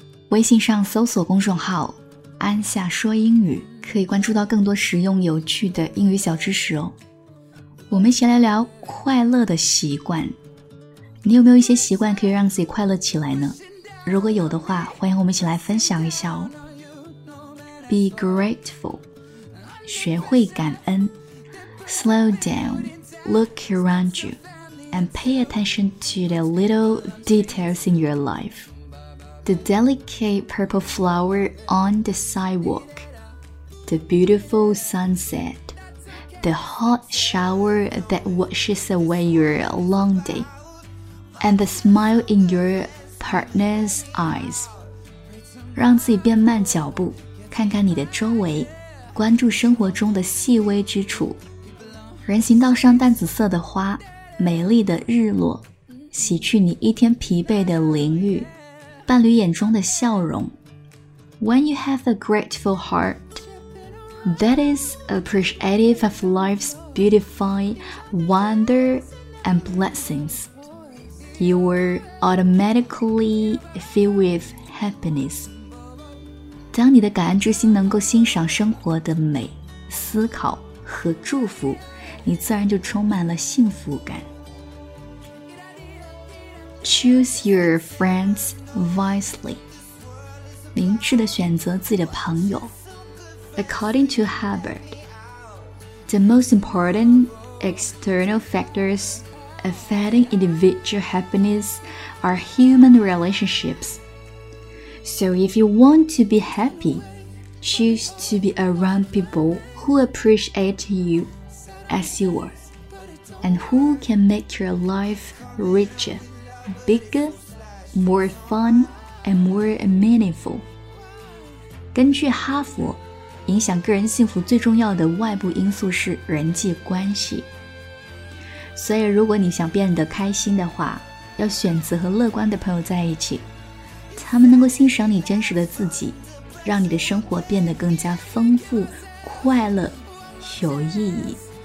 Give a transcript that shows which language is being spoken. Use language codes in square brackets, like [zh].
[zh] 微信上搜索公众号安夏说英语，可以关注到更多实用有趣的英语小知识哦。我们一起来聊快乐的习惯。你有没有一些习惯可以让自己快乐起来呢？如果有的话，欢迎我们一起来分享一下哦。 [en] Be grateful， [zh] 学会感恩。 [en] Slow down， look around you， and pay attention to the little details in your life。 The delicate purple flower on the sidewalk, the beautiful sunset, the hot shower that washes away your long day, and the smile in your partner's eyes. [zh] 让自己变慢脚步，看看你的周围，关注生活中的细微之处。人行道上淡紫色的花，美丽的日落，洗去你一天疲惫的淋浴。伴侣眼中的笑容。 [en] When you have a grateful heart, that is appreciative of life's beautifying wonder and blessings, you will automatically fill with happiness. [zh] 当你的感恩之心能够欣赏生活的美、思考和祝福，你自然就充满了幸福感。 [en] Choose your friends wisely. [zh] 明智地选择自己的朋友。 [en] According to Hubbard, the most important external factors affecting individual happiness are human relationships. So if you want to be happy, choose to be around people who appreciate you as you are, and who can make your life richerBigger, more fun, and more meaningful. [zh] 根据哈佛，影响个人幸福最重要的外部因素是人际关系。所以如果你想变得开心的话，要选择和乐观的朋友在一起，他们能够欣赏你真实的自己，让你的生活变得更加丰富、快乐、有意义。